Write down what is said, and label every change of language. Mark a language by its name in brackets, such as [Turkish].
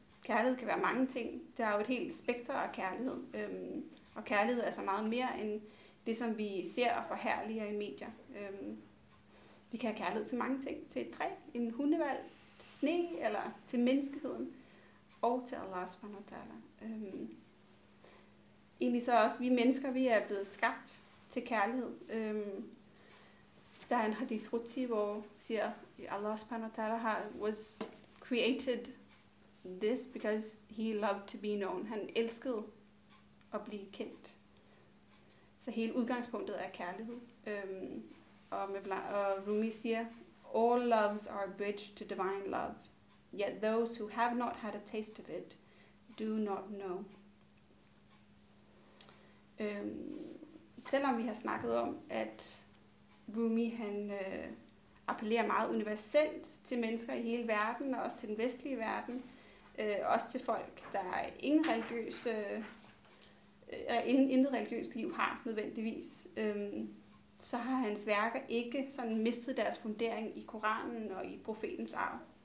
[Danish] Kærlighed kan være mange ting. Det er jo et helt spektrum af kærlighed. Og kærlighed er så meget mere end det, som vi ser og forherliger i medier. Vi kan have kærlighed til mange ting. Til et træ, en hundevalg, til sne eller til menneskeheden. Og til [Arabic] Allah subhanahu wa ta'ala. [Danish] Egentlig så også, vi mennesker, vi er blevet skabt til kærlighed. Der er en hadith ruti, hvor siger, [Arabic] Allah subhanahu wa ta'ala [English] was created this because he loved to be known. [Danish] Han elskede at blive kendt. Så hele udgangspunktet er kærlighed. Og Rumi siger, [English] all loves are a bridge to divine love. Yet those who have not had a taste of it do not know. [Danish] Selvom vi har snakket om, at Rumi han appellerer meget universelt til mennesker i hele verden, og også til den vestlige verden, også til folk, der ingen intet religiøst liv har nødvendigvis, så har hans værker ikke sådan mistet deres fundering i Koranen og i profetens arv.